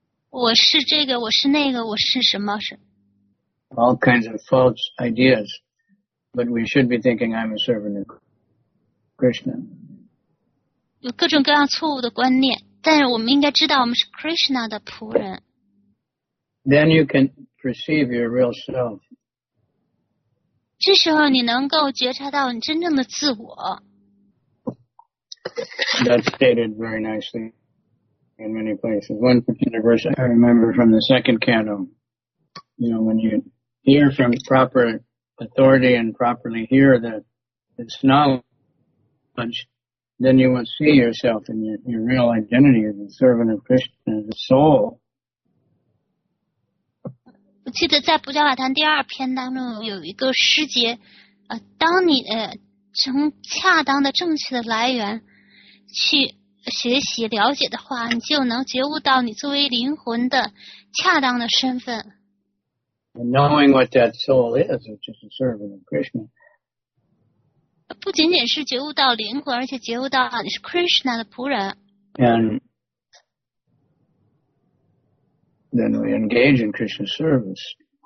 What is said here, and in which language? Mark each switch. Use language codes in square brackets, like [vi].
[zh] 我是这个，我是那个，我是什么是 [en] ？All kinds of false ideas, but we should be thinking I'm a servant of Krishna. [zh] 有各种各样错误的观念，但是我们应该知道我们是 Krishna 的仆人。 [en] Then you can perceive your real self. [zh] 这时候你能够觉察到你真正的自我。 [en] That's stated very nicely in many places. One particular verse I remember from the second canto. You know, when you hear from proper authority and properly hear this knowledge, then you will see yourself and your real identity as a servant of Krishna, as a soul. [zh] 我记得在《普加瓦坛》第二篇当中有一个诗节，当你从恰当的正确的来源去学习了解的话，你就能觉悟到你作为灵魂的恰当的身份。 [en] Knowing what that soul is, which is a servant of Krishna. [zh] 不仅仅是觉悟到灵魂，而且觉悟到你是 Krishna 的仆人。 [en] And then we engage in Krishna's service.